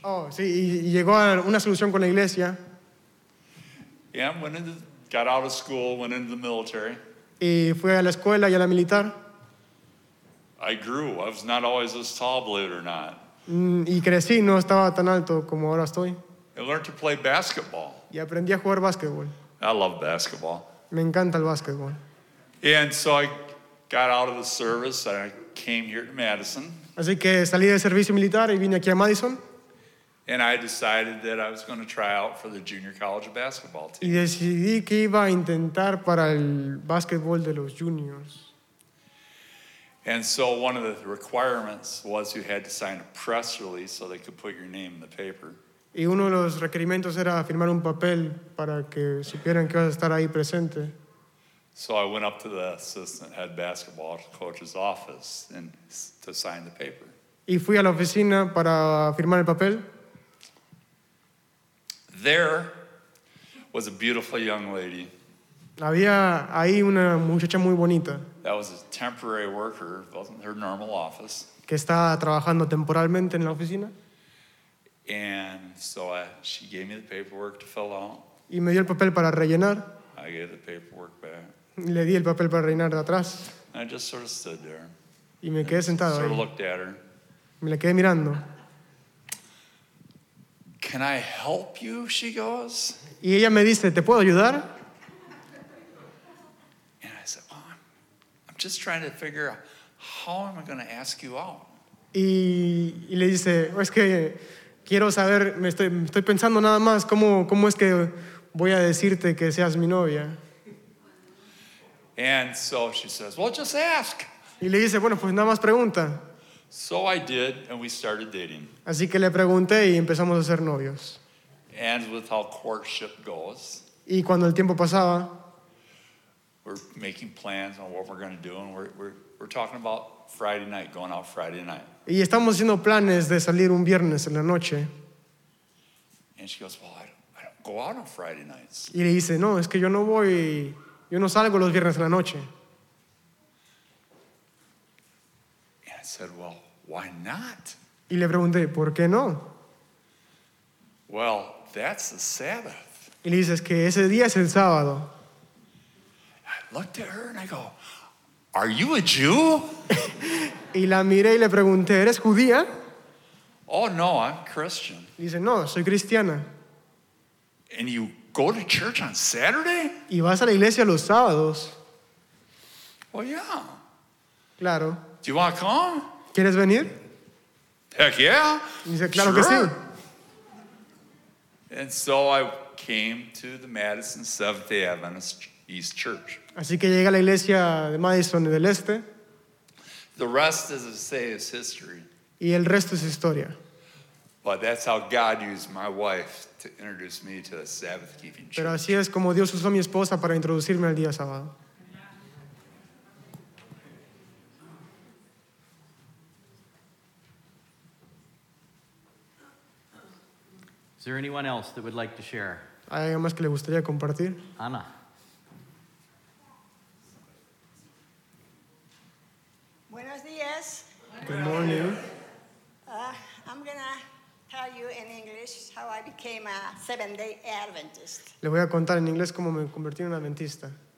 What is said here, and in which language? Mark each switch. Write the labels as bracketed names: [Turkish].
[Spanish] Oh, sí, y llegó a una solución con la iglesia. [English] Yeah, went into, got out of school, went into the military. [Spanish] Y fui a la escuela y a la militar. [English] I grew. I was not always as tall, believe it or not. [Spanish] Y crecí, no estaba tan alto como ahora estoy. [English] I learned to play basketball. [Spanish] Y aprendí a jugar basketball. [English] I love basketball. [Spanish] Me encanta el basketball. [English] And so I got out of the service and I came here to Madison. [Spanish] Así que salí del servicio militar y vine aquí a Madison. [English] And I decided that I was going to try out for the junior college basketball team. [Spanish] Y decidí que iba a intentar para el basketball de los juniors. [English] And so one of the requirements was you had to sign a press release so they could put your name in the paper. [Spanish] Y uno de los requerimientos era firmar un papel para que supieran que ibas a estar ahí presente. [English] So I went up to the assistant head basketball coach's office and to sign the paper. [Spanish] Y fui a la oficina para firmar el papel. [English] There was a beautiful young lady. [Spanish] Había ahí una muchacha muy bonita. [English] That was a temporary worker, wasn't her normal office. [Spanish] Que estaba trabajando temporalmente en la oficina. [English] And so she gave me the paperwork to fill out. [Spanish] Y me dio el papel para rellenar. [English] I gave the paperwork back. [Spanish] Le di el papel para rellenar de atrás. [English] And I just sort of stood there. [Spanish] Y me quedé sentado ahí. [English] Sort of looked at her. [Spanish] Me la quedé mirando. [English] Can I help you? She goes. [Spanish] Y ella me dice, ¿te puedo ayudar? [English] And I said, well, I'm just trying to figure out how am I going to ask you out. [Spanish] Y le dice, es que quiero saber, me estoy pensando nada más cómo es que voy a decirte que seas mi novia. [English] And so she says, well, just ask. [Spanish] Y le dice, bueno, pues nada más pregunta. [English] So I did, and we started dating. [Spanish] Así que le pregunté y empezamos a ser novios. [English] And with how courtship goes. [Spanish] Y cuando el tiempo pasaba. [English] We're making plans on what we're going to do, and we're talking about Friday night, going out Friday night. [Spanish] Y estamos haciendo planes de salir un viernes en la noche. [English] And she goes, well, I don't go out on Friday nights. [Spanish] Y le dice, no, es que yo no voy, yo no salgo los viernes en la noche. [English] And I said, well, why not? [Spanish] Y le pregunté, ¿por qué no? [English] Well, that's the Sabbath. [Spanish] Y le dice, es que ese día es el sábado. [English] I looked at her and I go, are you a Jew? [Spanish] Y la miré y le pregunté, ¿eres judía? [English] Oh, no, I'm Christian. [Spanish] Dice, no, soy cristiana. [English] And you go to church on Saturday? [Spanish] Y vas a la iglesia los sábados. [English] Well, yeah. [Spanish] Claro. [English] Do you want to come? [Spanish] ¿Quieres venir? [English] Heck yeah. [Spanish] Dice, claro, sure. Que sí. [English] And so I came to the Madison Seventh-day Adventist East Church. [Spanish] Así que llegué a la iglesia de Madison del Este. [English] The rest, as I say, is history. [Spanish] Y el resto es historia. [English] But that's how God used my wife to introduce me to the Sabbath-keeping church. [Spanish] Pero así es como Dios usó mi esposa para introducirme al día sábado. [English] Is there anyone else that would like to share? [Spanish] ¿Hay alguien más que le gustaría compartir? [English] Ana. [Spanish] Buenos días. [English] Good morning. I'm going to tell you in English how I became a Seventh-day Adventist. [Spanish] Le voy a contar en inglés cómo me convertí en un adventista.